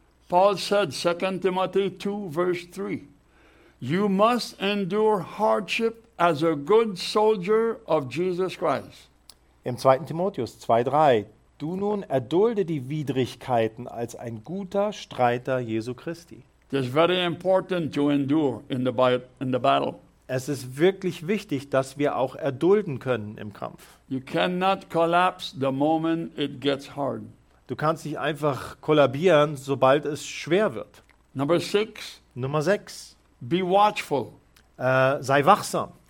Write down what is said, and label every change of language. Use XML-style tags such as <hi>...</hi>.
<en>Paul said, 2 Timothy 2, verse 3, you must endure hardship as a good soldier of Jesus Christ.</en> <de>Im 2. Timotheus 2, 3, du nun erdulde die Widrigkeiten als ein guter Streiter Jesu Christi.</de> <en>It's very important to endure in the battle.</en> <de>Es ist wirklich wichtig, dass wir auch erdulden können im Kampf.</de> <en>You cannot collapse the moment it gets hard.</en> <de>Du kannst nicht einfach kollabieren, sobald es schwer wird. Nummer 6.</de> <en>Be watchful.</en> <de>Sei wachsam.</de>